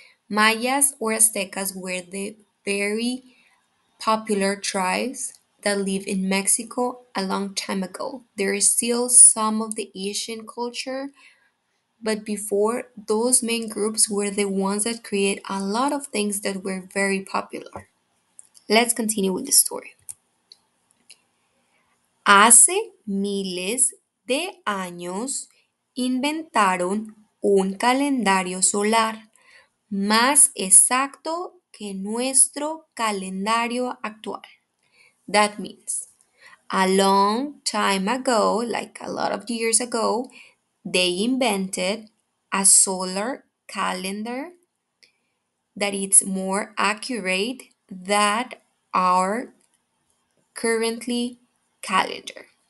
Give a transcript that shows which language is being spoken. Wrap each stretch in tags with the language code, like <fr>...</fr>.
<en>Mayas or aztecas were the very popular tribes that live in Mexico a long time ago. There is still some of the Asian culture. But before, those main groups were the ones that created a lot of things that were very popular. Let's continue with the story.</en> <es>Hace miles de años inventaron un calendario solar más exacto que nuestro calendario actual.</es> <en>That means, a long time ago, like a lot of years ago, they invented a solar calendar that is more accurate than our currently calendar.</en>